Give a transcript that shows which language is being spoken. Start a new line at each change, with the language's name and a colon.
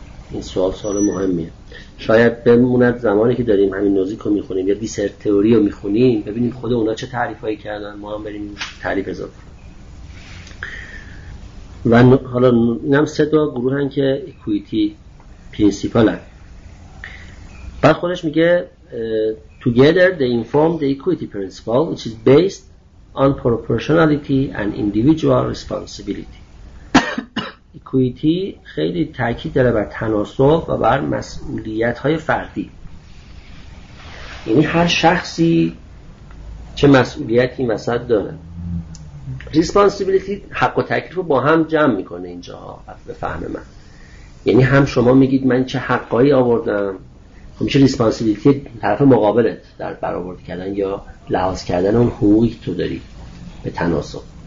Persian: این سوال مهمیه. شاید بموند زمانی که داریم همین نوزیک رو میخونیم یا دیسرت تئوری رو میخونیم ببینیم خود اونا چه تعریف هایی کردن، ما هم بریم تعریف اضافه. و حالا این هم سه تا گروه هن که اکویتی پرینسیپال هن. بعد خودش میگه
English: together they inform the equity principle which is based on proportionality and individual responsibility.
Persian: equity خیلی تاکید داره بر تناسب و بر مسئولیت های فردی، یعنی هر شخصی چه مسئولیتی مثلا داره. responsibility حق و تکلیف رو با هم جمع میکنه اینجا به فهم من، یعنی هم شما میگید من چه حقایی آوردم، همیشه ریسپانسیبیلیتی طرف مقابلت در برآورد کردن یا لحاظ کردن اون حقوقی که تو داری به تناسب.